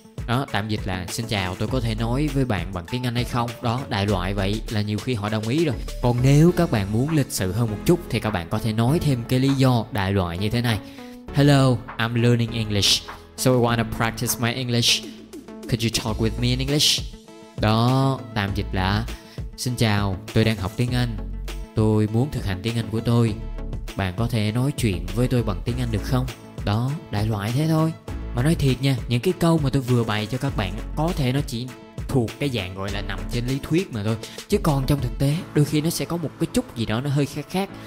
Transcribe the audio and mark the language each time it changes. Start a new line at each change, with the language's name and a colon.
Vietnamese: Đó, tạm dịch là xin chào, tôi có thể nói với bạn bằng tiếng Anh hay không? Đó, đại loại vậy là nhiều khi họ đồng ý rồi. Còn nếu các bạn muốn lịch sự hơn một chút thì các bạn có thể nói thêm cái lý do đại loại như thế này:
English: Hello, I'm learning English, so I want to practice my English. Could you talk with me in English?
Vietnamese: Đó, tạm dịch là: xin chào, tôi đang học tiếng Anh, tôi muốn thực hành tiếng Anh của tôi, bạn có thể nói chuyện với tôi bằng tiếng Anh được không? Đó, đại loại thế thôi. Mà nói thiệt nha, những cái câu mà tôi vừa bày cho các bạn có thể nó chỉ thuộc cái dạng gọi là nằm trên lý thuyết mà thôi, chứ còn trong thực tế đôi khi nó sẽ có một cái chút gì đó nó hơi khác khác.